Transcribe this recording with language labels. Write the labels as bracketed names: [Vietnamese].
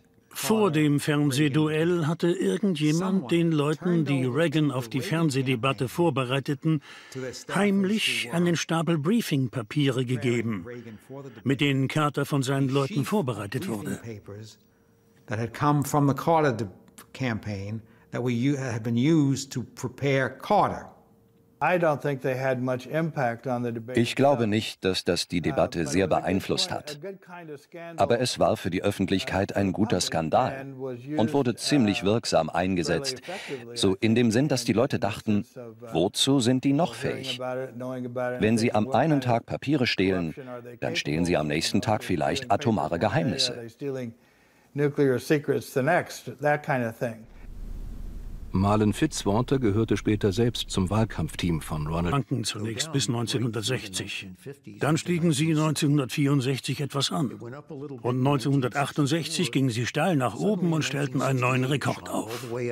[German] Vor dem Fernsehduell hatte irgendjemand den Leuten, die Reagan auf die Fernsehdebatte vorbereiteten, heimlich einen Stapel Briefingpapiere gegeben, mit denen Carter von seinen Leuten vorbereitet wurde. [English] That had come from the Carter campaign that we had been used to prepare Carter. I don't think they had much impact on the debate. [German] Ich glaube nicht, dass das die Debatte sehr beeinflusst hat. Aber es war für die Öffentlichkeit ein guter Skandal und wurde ziemlich wirksam eingesetzt. So in dem Sinn, dass die Leute dachten, wozu sind die noch fähig? Wenn sie am einen Tag Papiere stehlen, dann stehlen sie am nächsten Tag vielleicht atomare Geheimnisse. [English] Nuclear secrets the next, that kind of thing. [German] Marlon Fitzwater gehörte später selbst zum Wahlkampfteam von Ronald Reagan zunächst bis 1960. Dann stiegen sie 1964 etwas an. Und 1968 gingen sie steil nach oben und stellten einen neuen Rekord auf.